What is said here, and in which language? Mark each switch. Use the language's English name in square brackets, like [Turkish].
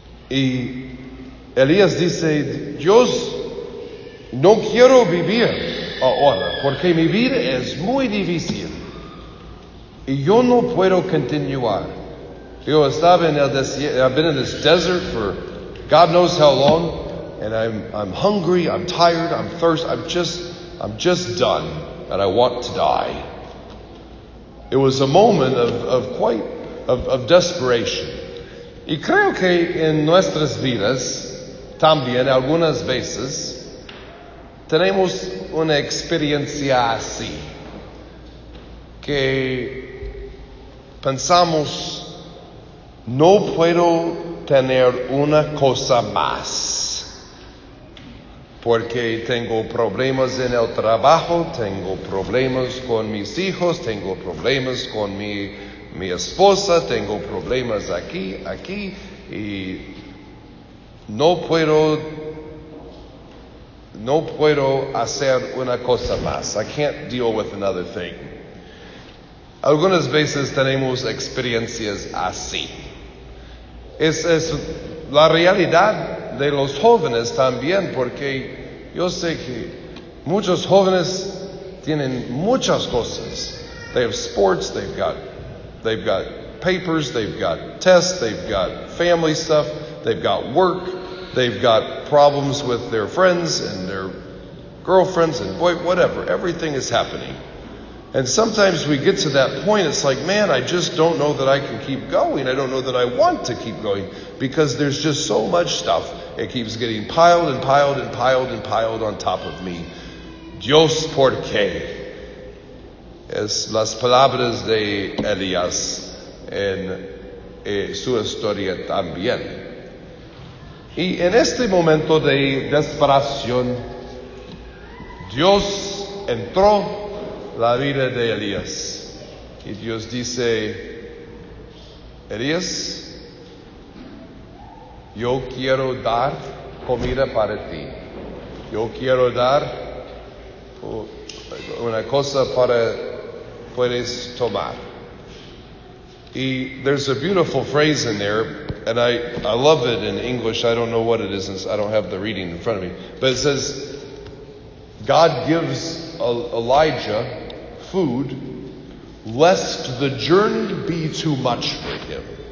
[Spanish] Y Elías dice, Dios, no quiero vivir ahora, porque mi vida es muy difícil, y yo no puedo continuar. Yo estaba en el desierto, [English] I've been in this desert for God knows how long, and I'm hungry, I'm tired, I'm thirsty, I'm just done, and I want to die. It was a moment of desperation. [Spanish] Y creo que en nuestras vidas, también algunas veces, tenemos una experiencia así, que pensamos, no puedo tener una cosa más, porque tengo problemas en el trabajo, tengo problemas con mis hijos, tengo problemas con mi esposa, tengo problemas aquí, y no puedo hacer una cosa más. [English] I can't deal with another thing. [Spanish] Algunas veces tenemos experiencias así. Es la realidad de los jóvenes también, porque yo sé que muchos jóvenes tienen muchas cosas. [English] They have sports, they've got papers, they've got tests, they've got family stuff, they've got work, they've got problems with their friends and their girlfriends and boy, whatever. Everything is happening. And sometimes we get to that point, it's like, man, I just don't know that I can keep going. I don't know that I want to keep going because there's just so much stuff. It keeps getting piled and piled and piled and piled on top of me. [Spanish] Dios, ¿por qué? Es las palabras de Elías en su historia también. Y en este momento de desesperación, Dios entró la vida de Elías. Y Dios dice, Elías, yo quiero dar comida para ti. Yo quiero dar una cosa para puedes tomar. [English] Y there's a beautiful phrase in there, and I love it in English. I don't know what it is. I don't have the reading in front of me. But it says, God gives Elijah food, lest the journey be too much for him.